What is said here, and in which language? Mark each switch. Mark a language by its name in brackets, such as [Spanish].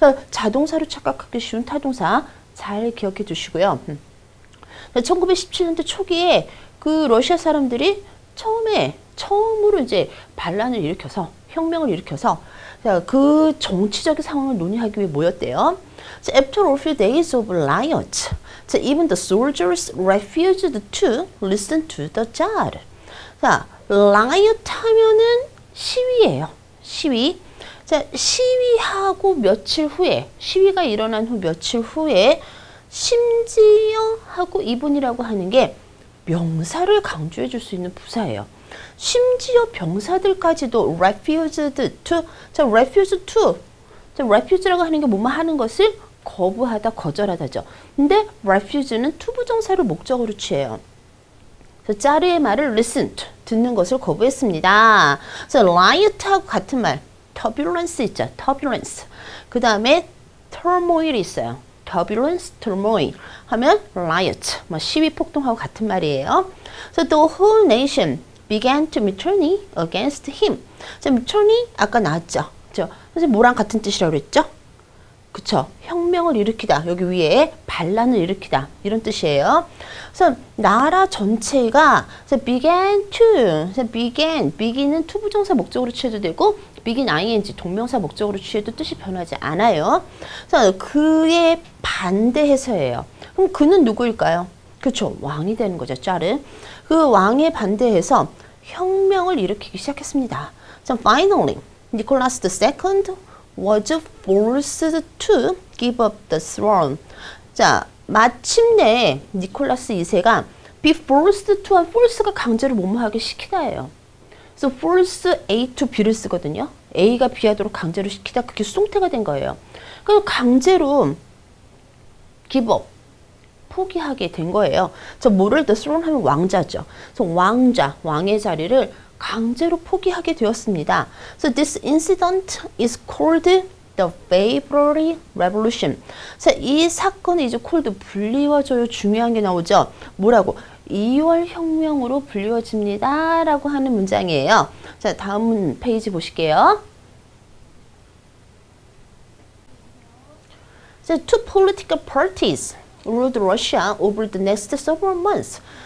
[Korean] 자동사로 착각하기 쉬운 타동사 잘 기억해 두시고요. 1917년대 초기에 그 러시아 사람들이 처음으로 이제 반란을 일으켜서 혁명을 일으켜서 그 정치적인 상황을 논의하기 위해 모였대요. [English] So after a few days of riots, so even the soldiers refused to listen to the Tsar. [Korean] 자, riot 하면은 시위예요. 시위. 자, 시위하고 며칠 후에, 시위가 일어난 후 며칠 후에, 심지어 하고 이분이라고 하는 게 명사를 강조해 줄수 있는 부사예요. 심지어 병사들까지도 refused to, 자, refuse to, 자, refuse라고 하는 게 뭐뭐 하는 것을 거부하다, 거절하다죠. 근데 refuse는 투부정사를 목적으로 취해요. 짜르의 말을 listen to, 듣는 것을 거부했습니다. 그래서 riot하고 같은 말, turbulence 있죠, turbulence. 그 다음에 turmoil이 있어요. turbulence, turmoil 하면 riot, 뭐 시위 폭동하고 같은 말이에요. [English] So the whole nation began to mutiny against him. [Korean] 자, mutiny 아까 나왔죠. 그쵸? 그래서 뭐랑 같은 뜻이라고 그랬죠? 그쵸? 혁명을 일으키다. 여기 위에 반란을 일으키다. 이런 뜻이에요. 그래서 나라 전체가 began to, begin은 투부정사 목적으로 취해도 되고 begin ing 동명사 목적으로 취해도 뜻이 변하지 않아요. 그래서 그의 반대해서예요. 그럼 그는 누구일까요? 그렇죠. 왕이 되는 거죠. 짜르. 그 왕에 반대해서 혁명을 일으키기 시작했습니다. [English] So finally, Nicholas II was forced to give up the throne. [Korean] 자, 마침내 니콜라스 2세가 be forced to, force가 강제로 뭐뭐하게 시키다예요. So force A to B를 쓰거든요. A가 B하도록 강제로 시키다. 그게 수동태가 된 거예요. 그래서 강제로 give up. 포기하게 된 거예요. 저 뭐를 the throne 하면 왕자죠. 그래서 왕자, 왕의 자리를 강제로 포기하게 되었습니다. [English] So this incident is called the February Revolution. [Korean] 이 사건이 이제 콜드 분리와줘요. 중요한 게 나오죠. 뭐라고? 2월 혁명으로 불리워집니다라고 하는 문장이에요. 자, 다음 페이지 보실게요. [English] So two political parties ruled Russia over the next several months.